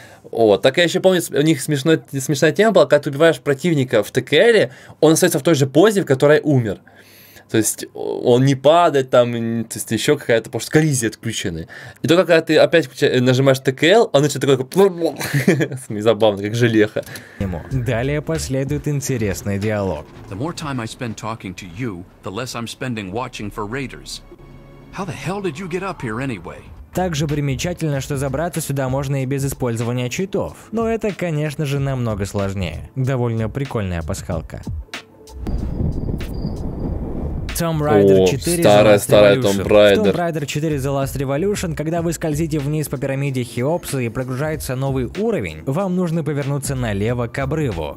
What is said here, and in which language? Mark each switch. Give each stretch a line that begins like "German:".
Russian: О, так я еще помню, у них смешная тема была, когда ты убиваешь противника в ТКЛ, он остается в той же позе, в которой умер. То есть он не падает, там, то есть еще какая-то, потому что коллизии отключены. И только когда ты опять нажимаешь ТКЛ, он начинает такой забавно, как желеха. Далее последует интересный диалог.
English: The more time I spend talking to you, the less I'm spending watching for raiders. How the hell did you get up here anyway?
Russian: Также примечательно, что забраться сюда можно и без использования читов. Но это, конечно же, намного сложнее. Довольно прикольная пасхалка. Tomb Raider 4 Tomb Raider 4 The Last Revolution, когда вы скользите вниз по пирамиде Хеопса и прогружается новый уровень, вам нужно повернуться налево к обрыву.